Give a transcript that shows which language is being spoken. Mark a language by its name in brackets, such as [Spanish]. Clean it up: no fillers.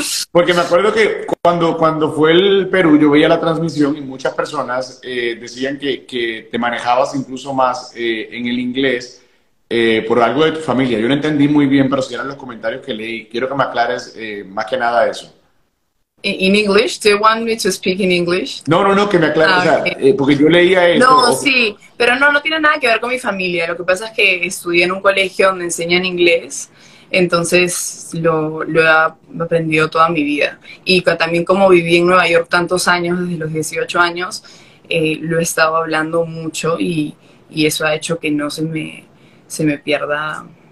[Spanish] Porque me acuerdo que cuando fue el Perú, yo veía la transmisión y muchas personas decían que te manejabas incluso más en el inglés por algo de tu familia. Yo no entendí muy bien, pero si eran los comentarios que leí, quiero que me aclares más que nada eso. [English] In English, do you want me to speak in English? [Spanish] No, no, no, que me aclares, o Ah, sea, [English] okay. [Spanish] porque yo leía esto. No, sí, pero no tiene nada que ver con mi familia. Lo que pasa es que estudié en un colegio donde enseñan inglés, entonces lo he aprendido toda mi vida. Y también como viví en Nueva York tantos años, desde los 18 años, lo he estado hablando mucho y eso ha hecho que no se me pierda